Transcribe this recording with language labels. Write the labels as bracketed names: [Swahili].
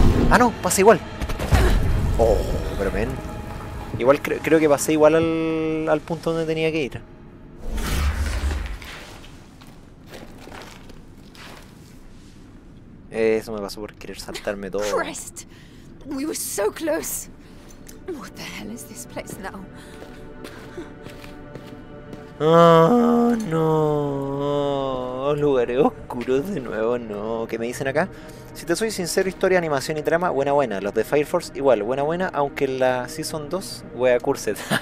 [Spanish] Ah, no, pasé igual. Oh, pero men. Igual creo que pasé igual al punto donde tenía que ir. Eso me pasó por querer saltarme todo. [English] Christ, we were so close. What the hell is this place now? Oh, no. [Spanish] Lugares oscuros de nuevo, no. ¿Qué me dicen acá? Si te soy sincero, historia, animación y trama, buena, buena. Los de Fire Force, igual, buena, buena. Aunque la Season 2, wea, cursed.